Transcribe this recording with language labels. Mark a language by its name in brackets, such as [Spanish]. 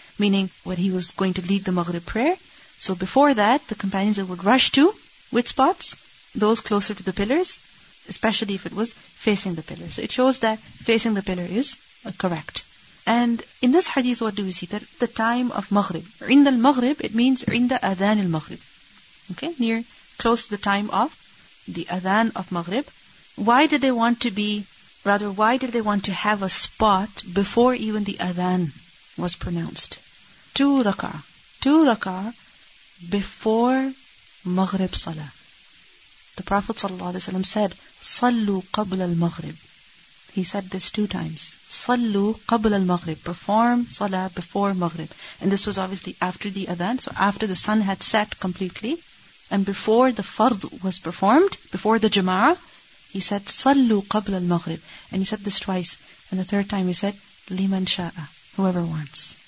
[English] Meaning, when he was going to lead the Maghrib prayer. So before that, the companions would rush to which spots? Those closer to the pillars, especially if it was facing the pillar. So it shows that facing the pillar is correct. And in this hadith, what do we see? That the time of Maghrib. [Arabic] عند المغرب, [English] it means [Arabic] عند أذان المغرب. [English] Okay, near, close to the time of the Adhan of Maghrib. Why did they want to be, rather, why did they want to have a spot before even the Adhan was pronounced? Two rak'ah before Maghrib Salah. The Prophet ﷺ said, [Arabic] صلوا قبل المغرب. [English] He said this two times. [Arabic] صلوا قبل المغرب. [English] Perform salah before Maghrib. And this was obviously after the Adhan. So after the sun had set completely, and before the fard was performed, before the jama'ah, he said, [Arabic] Sallu qabla al-maghrib. [English] And he said this twice. And the third time he said, [Arabic] Liman sha'a, [English] whoever wants.